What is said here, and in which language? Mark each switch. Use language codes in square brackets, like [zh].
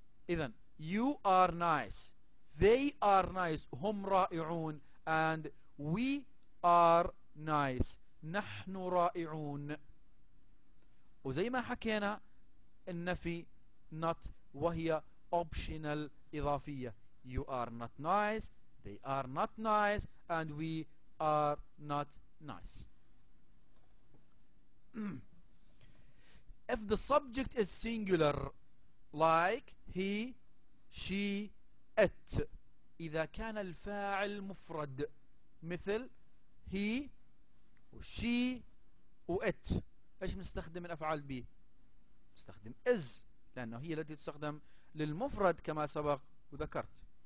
[en] إذن you are nice they are nice [ar] هم رائعون [en] and we are nice [ar] نحن رائعون. وزي ما حكينا النفي not وهي optional إضافية. [en] You are not nice, they are not nice, and we are not nice. If the subject is singular, like he, she, it. [ar] إذا كان الفاعل مفرد مثل he, she, it. إيش نستخدم من أفعال be؟ نستخدم is لأنه هي التي تستخدم للمفرد كما سبق وذكرت.